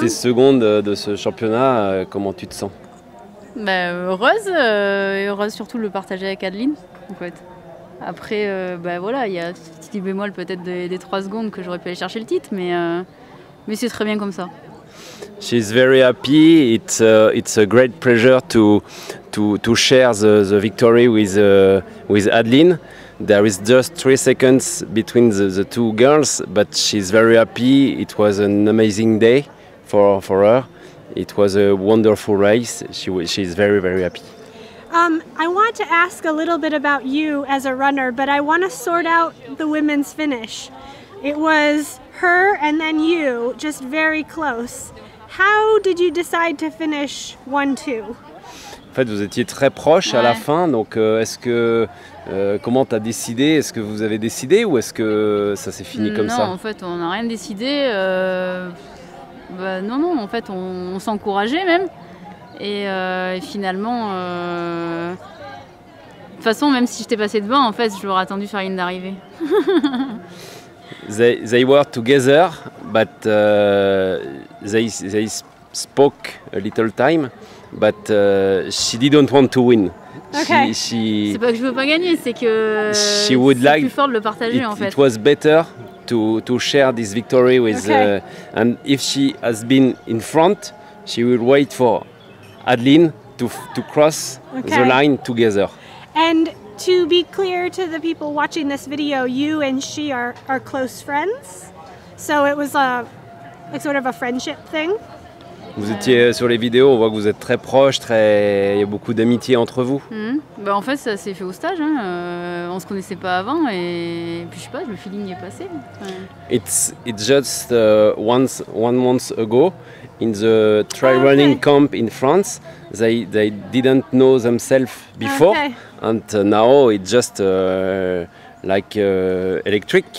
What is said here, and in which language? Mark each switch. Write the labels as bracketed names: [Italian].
[French] T'es seconde de ce championnat, comment tu te sens? Bah, heureuse, et heureuse surtout de le partager avec Adeline, en fait. Après, voilà, il y a petit bémol peut-être des 3 secondes que j'aurais pu aller chercher le titre, mais c'est très bien comme ça. [English] She's very happy. It's a great pleasure to share the victory with Adeline. There is just 3 seconds between the two girls, but she's very happy. It was an amazing day for her. It was a wonderful race. She's very, very happy. I want to ask a little bit about you as a runner, but I want to sort out the women's finish. It was her and then you, just very close. How did you decide to finish 1-2? [French] En fait, vous étiez très proche à la fin, donc est-ce que comment t'as décidé? Est-ce que vous avez décidé ou est-ce que ça s'est fini comme non, ça? Non, en fait, on n'a rien décidé. Non, en fait, on s'encourageait même. Et finalement, de toute façon, même si j'étais passé devant, en fait, je l'aurais attendu sur la ligne d'arrivée. [English] they were together, but they spoke a little time, but she didn't want to win. Okay. [French] C'est pas que je veux pas gagner, c'est que [English] she would [French] c'est [English] like [French] plus fort de le partager, en fait. [English] It was better to share this victory with, okay. And if she has been in front, she will wait for Adeline to cross, okay, the line together. And to be clear to the people watching this video, you and she are close friends, so it was a sort of a friendship thing. [French] Vous étiez sur les vidéos, on voit que vous êtes très proches, il y a beaucoup d'amitié entre vous. Mmh. En fait, ça s'est fait au stage, hein. On se connaissait pas avant et puis je sais pas, le feeling y est passé. Ouais. [English] It's just one month ago in the trail running camp in France. They didn't know themselves before, and now it's just electric.